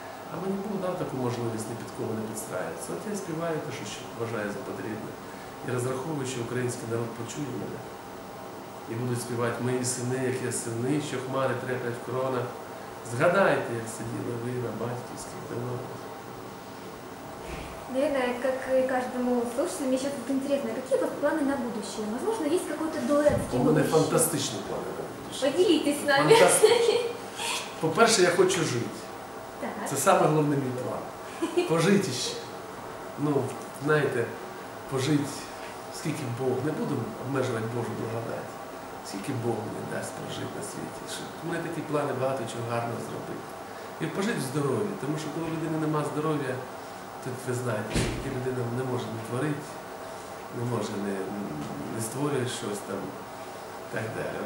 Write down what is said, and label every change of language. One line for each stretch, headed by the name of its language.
Ukrainian: А мені було дав таку можливість ні під кого не підстраюватися. От я співаю те, що вважаю за потрібне. І розраховую, що український народ почує мене. І будуть співати «Мої сини, як я сини, що хмари треплять в кронах». Згадайте, як сиділи ви на батьківських домах.
Russian: Наверное, как и каждому слушателю, мне сейчас тут интересно, какие у вас планы на будущее? Возможно, есть какой-то дуэт в будущем? У меня фантастичный план на будущее. Поделитесь с нами.
Ukrainian: По-перше, я хочу жити. Так. Це самий головний мій план. Пожити ще. Ну, знаєте, пожить, скільки Бог, не буду обмежувати Божу благодать, скільки Бог мені дасть прожити на світі. У мене такі плани багато чого гарного зробити. І пожити в здоров'ї, тому що коли людини нема здоров'я, то ви знаєте, скільки людина не може не творити, не може не створює щось там, так далі.